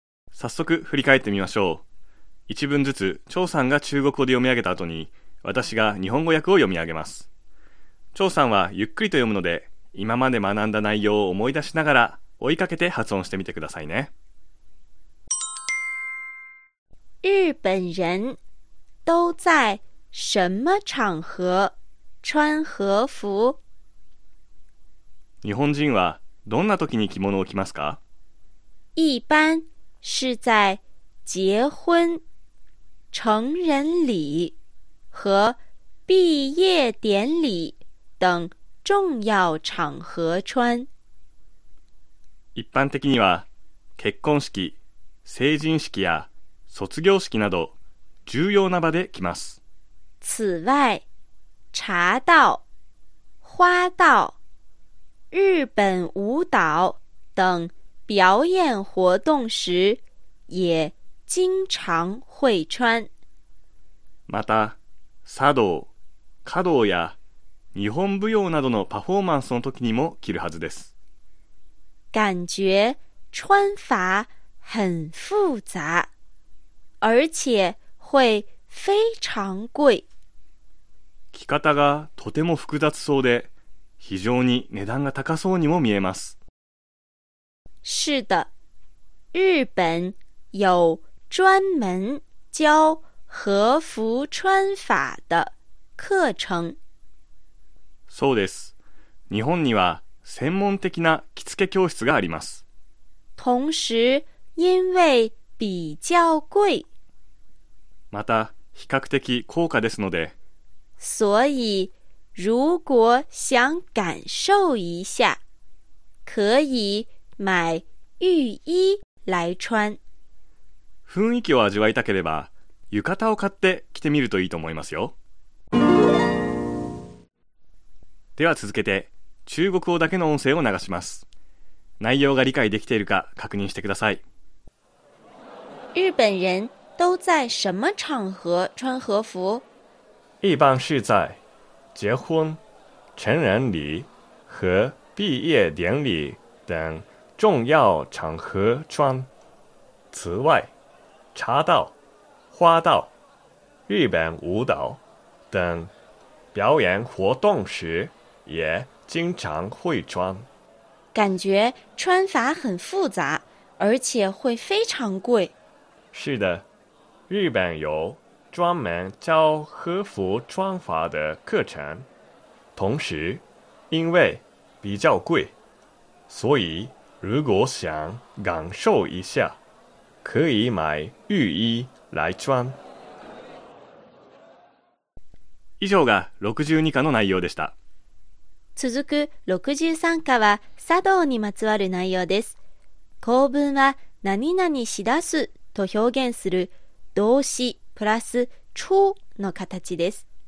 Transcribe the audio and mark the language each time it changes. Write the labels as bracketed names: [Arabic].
[Japanese] 早速振り返ってみましょう。一文ずつ張さんが中国語で読み上げた後に私が日本語訳を読み上げます。張さんはゆっくりと読むので、今まで学んだ内容を思い出しながら追いかけて発音してみてくださいね。 [Chinese] 日本人都在什么场合穿和服？ [Japanese] 日本人はどんな時に着物を着ますか？ [Chinese] 一般是在结婚、成人礼和毕业典礼等重要场合穿。 [Japanese] 一般的には結婚式、成人式や卒業式など重要な場で着ます。 [Chinese] 此外、茶道、花道、日本舞蹈等表演活动时也经常会穿。 [Japanese] また、茶道、華道や日本舞踊などのパフォーマンスの時にも着るはずです。 [Chinese] 感觉穿法很复杂，而且会非常贵。 [Japanese] 着方がとても複雑そうで、非常に値段が高そうにも見えます。 [Chinese] 是的，日本有专门教和服穿法的课程。 [Japanese] そうです。日本には専門的な着付け教室があります。 [Chinese] 同时，因为比较贵。 [Japanese] また比較的高価ですので、 [Chinese] 所以如果想感受一下，可以买浴衣来穿。 [Japanese] 雰囲気を味わいたければ、浴衣を買って着てみるといいと思いますよ。では続けて中国語だけの音声を流します。内容が理解できているか確認してください。 [Chinese] 日本人都在什么场合穿和服？一般是在结婚、成人礼和毕业典礼等重要场合穿。此外，茶道、花道、日本舞蹈等表演活动时也经常会穿。感觉穿法很复杂，而且会非常贵。是的，日本有专门教和服穿法的课程，同时因为比较贵，所以如果想感受一下，可以买浴衣来穿。 [Japanese] 以上が62課の内容でした。続く63課は茶道にまつわる内容です。構文は何々しだすと表現する動詞プラス出の形です。